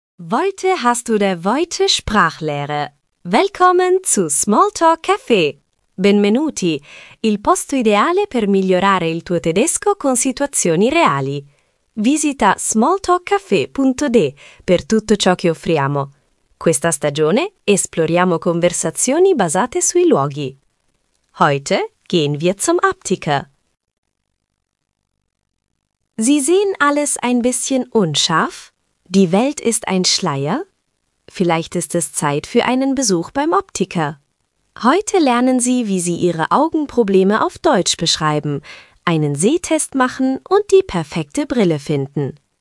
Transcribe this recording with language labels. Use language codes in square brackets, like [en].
[de] Heute hast du der Heute Sprachlehre. Willkommen zu Smalltalk Café. [it] Benvenuti, il posto ideale per migliorare il tuo tedesco con situazioni reali. Visita smalltalkcafe.de per tutto ciò che offriamo. Questa stagione esploriamo conversazioni basate sui luoghi. [de] Heute gehen wir zum Optiker. Sie sehen alles ein bisschen unscharf? Die Welt ist ein Schleier? Vielleicht ist es Zeit für einen Besuch beim Optiker. Heute lernen Sie, wie Sie Ihre Augenprobleme auf Deutsch beschreiben, einen Sehtest machen und die perfekte Brille finden.